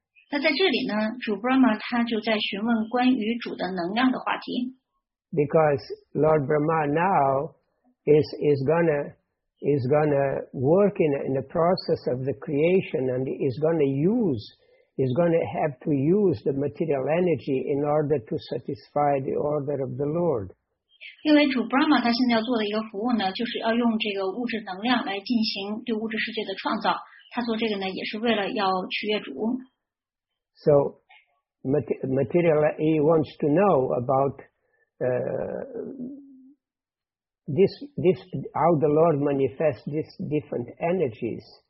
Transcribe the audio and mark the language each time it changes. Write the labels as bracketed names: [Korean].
[Chinese] 那在这里呢，主 Brahma 他就在询问关于主的能量的话题。Because [English] Lord Brahma now is gonna work in the process of the creation, and is gonna have to use the material energy in order to satisfy the order of the Lord. [Chinese] 因为主 Brahma 他现在要做的一个服务呢，就是要用这个物质能量来进行对物质世界的创造。他做这个呢，也是为了要取悦主。So [English] material he wants to know about this how the Lord manifests these different energies.